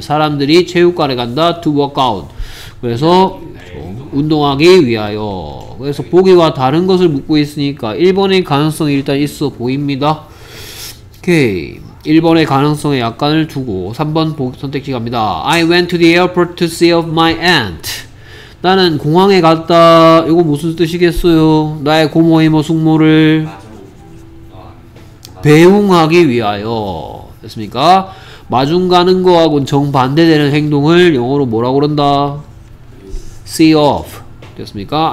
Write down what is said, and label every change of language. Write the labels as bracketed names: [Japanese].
[Korean] 사람들이 체육관에 간다. [English] To work out. [Korean] 그래서 운동하기 위하여. 그래서 보기와 다른 것을 묻고 있으니까 1번의 가능성이 일단 있어 보입니다. 오케이, 1번의 가능성에 약간을 두고 3번 선택지 갑니다. [English] I went to the airport to see of my aunt. [Korean] 나는 공항에 갔다. 이거 무슨 뜻이겠어요? 나의 고모 이모 숙모를 배웅하기 위하여 됐습니까? 마중 가는 거하고는 정반대되는 행동을 영어로 뭐라고 그런다? See of 됐습니까?